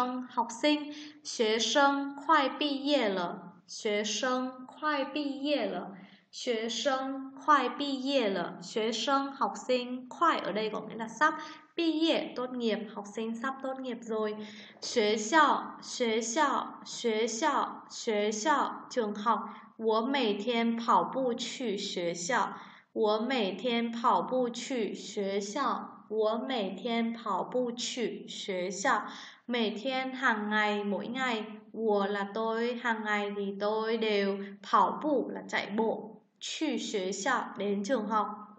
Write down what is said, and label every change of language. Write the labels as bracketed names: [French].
[Vietnamese] Học sinh, [Chinese] 学生快毕业了，学生快毕业了，学生 [Vietnamese] 快毕业了，学生học sinh快 ở đây có nghĩa là sắp毕业tốt nghiệp học sinh sắp tốt nghiệp rồi. 学校 trường học. [Chinese] 我每天跑步去学校，我每天跑步去学校。我每天跑步去学校， [Vietnamese] 每天 hàng ngày mỗi ngày，我 là tôi hàng ngày thì tôi đều 跑步 là chạy bộ去学校 đến trường học。